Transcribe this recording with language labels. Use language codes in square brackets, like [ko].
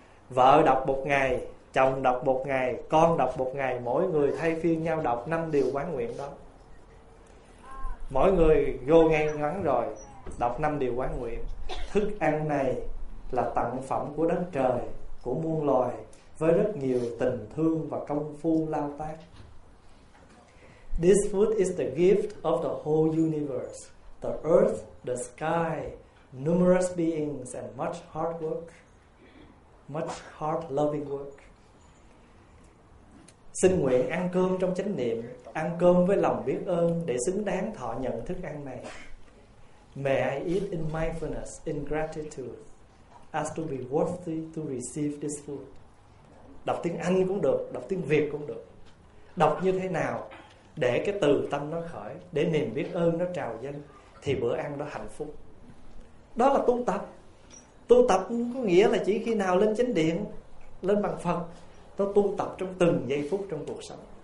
[vi] Vợ đọc một ngày, chồng đọc một ngày, con đọc một ngày, mỗi người thay phiên nhau đọc 5 điều quán nguyện đó. Mỗi người vô ngay ngắn rồi đọc 5 điều quán nguyện. Thức ăn này là tặng phẩm của đất trời, của muôn loài, với rất nhiều tình thương và công phu lao tác. [en] This food is the gift of the whole universe, the earth, the sky, numerous beings and much hard work, much heart loving work. [vi] Xin nguyện ăn cơm trong chánh niệm, ăn cơm với lòng biết ơn để xứng đáng thọ nhận thức ăn này. [en] May I eat in mindfulness, in gratitude, as to be worthy to receive this food. [vi] Đọc tiếng Anh cũng được, đọc tiếng Việt cũng được. Đọc như thế nào để cái từ tâm nó khởi, để niềm biết ơn nó trào dâng, thì bữa ăn đó hạnh phúc. Đó là tu tập. Tu tập có nghĩa là chỉ khi nào lên chánh điện, lên bằng Phật, nó tu tập trong từng giây phút trong cuộc sống.